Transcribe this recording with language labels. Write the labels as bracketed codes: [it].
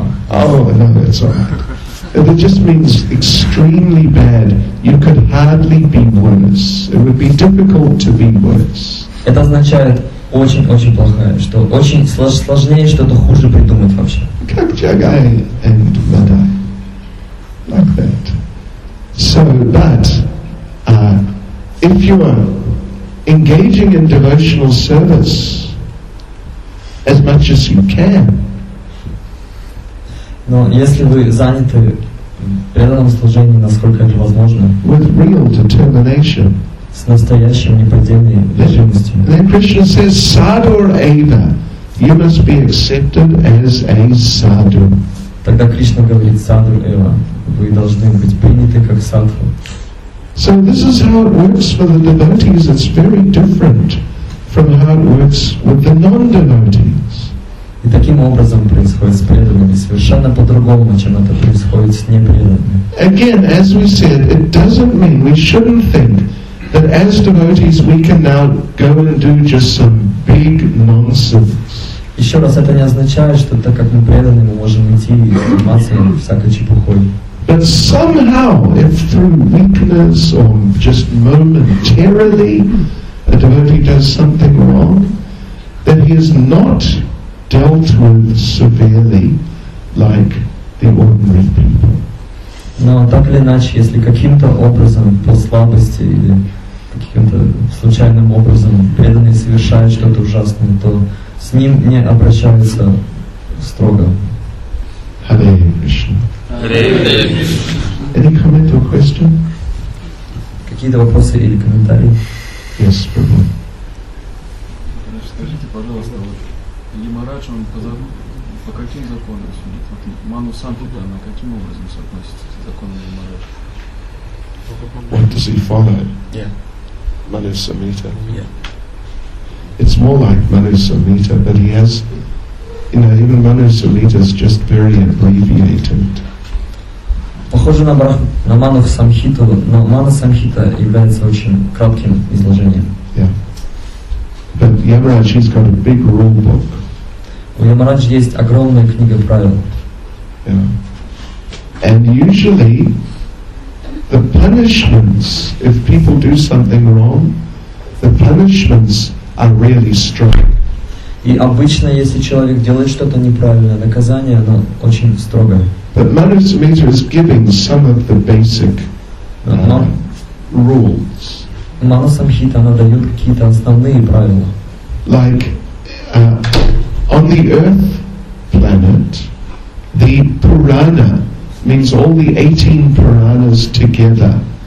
[en] Oh, no, that's alright. It just means extremely bad. You could hardly be worse. It would be difficult to be worse. [ru] Это означает очень-очень плохая, что очень сложнее что-то хуже придумать вообще. Как Джагай и Мадай. [en] Like that. So, but, if you are engaging in devotional service as much as you can. [ru] Но если вы заняты преданным служением, насколько это возможно. [en] With real determination. [ru] С настоящим неподдельной жизненностью. [en] Then Krishna says, sadur eva, you must be accepted as a sadhu. [ru] Тогда Кришна говорит, sadur eva, вы должны быть приняты как садху. [en] So this is how it works for the devotees. It's very different from how it works with the non-devotees. [ru] И таким образом происходит с преданными совершенно по-другому, чем это происходит с непреданными. [en] Again, as we said, it doesn't mean we shouldn't think that as devotees we can now go and do just some big nonsense. [ru] Еще раз, это не означает, что так как мы преданные, мы можем идти и заниматься всякой чепухой. [en] But somehow, if through weakness or just momentarily a devotee does something wrong, then he is not dealt with severely like the ordinary people. [ru] Но так или иначе, если каким-то образом по слабости или каким-то случайным образом преданный совершает что-то ужасное, то с ним не обращаются строго. [en] Hare Krishna. Any comment or question? [ru] Какие-то вопросы или комментарии? [en] Yes, Prabhu. [ru] Скажите, пожалуйста, вот Ямарадж, он по каким законам судит? Вот Ману Сандута, она каким образом соотносится к закону Ямарадж? [en] What does he follow? Yeah. [ru] Ману Самхита. [en] Yeah. It's more like Ману Самхита, but he has, you know, even Ману Самхита is just very abbreviated. [ru] Похоже на Ману Самхиту, но Ману Самхита является очень кратким изложением. [en] Yeah. But Yamaraj, he's got a big rule book. [ru] У Ямарадж есть огромная книга правил. [en] Yeah. And usually the punishments, if people do something wrong, the punishments are really strong. [ru] И обычно, если человек делает что-то неправильно, наказание оно очень строгое. [en] But Ману Самхита is giving some of the basic rules. [ru] Ману Самхита дает какие-то основные правила. [en] Like on the Earth planet, the Purana means all the 18 Puranas together.